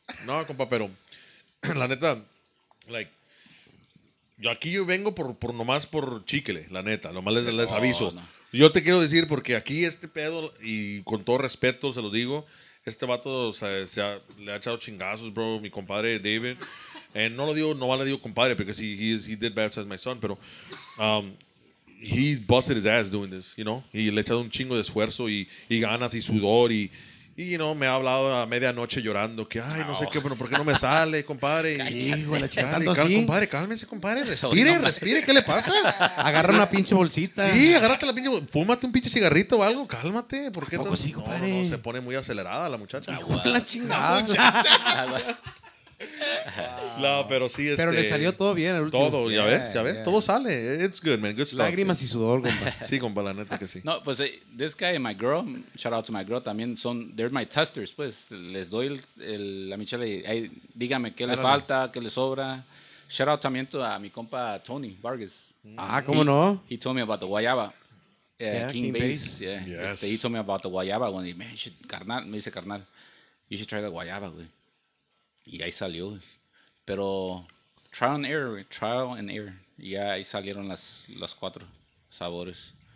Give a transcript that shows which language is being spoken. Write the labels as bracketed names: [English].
[Spanish] No, compa, pero la neta, [English] like, [Spanish] yo aquí yo vengo por nomás por chicle, la neta. Nomás les aviso. No. Yo te quiero decir, porque aquí este pedo, y con todo respeto se los digo, este vato le ha echado chingazos, bro, mi compadre David. No lo digo, no le digo compadre, porque [English] he did baptize my son, [Spanish] pero [English] he busted his ass doing this, you know. [Spanish] Y le ha echado un chingo de esfuerzo y ganas y sudor y [English] you know, [Spanish] me ha hablado a medianoche llorando que, ay, no sé qué, bueno, ¿por qué no me sale, compadre? Hijo de la chica, compadre, cálmese, compadre, respire, respire, ¿qué le pasa? Agarra una pinche bolsita. Sí, agárrate la pinche bolsita, fúmate un pinche cigarrito o algo, cálmate. ¿Por qué? ¿A poco sí, compadre? No, se pone muy acelerada la muchacha. Hijo de la chingada. La muchacha. Wow. No, pero sí, pero le salió todo bien el último. Todo, ya ves, todo sale. [English] It's good, man. Good stuff. [Spanish] Lágrimas y sudor, compa. Sí, compa, la neta que sí. No, pues [English] this guy and my girl, shout out to my girl, [Spanish] también son, [English] they're my testers, pues. [Spanish] Les doy la Michelle y hey, dígame qué le falta, qué le sobra. [English] Shout out [Spanish] también a mi compa Tony Vargas. Ah, ¿cómo no? [English] He told me about the guayaba. King Base. Yeah. Yes. He told me about the guayaba when he mentioned, [Spanish] carnal, me dice carnal, [English] you should try the guayaba, [Spanish] güey. Y ahí salió, pero [English] trial and error, [Spanish] y ahí salieron las cuatro sabores.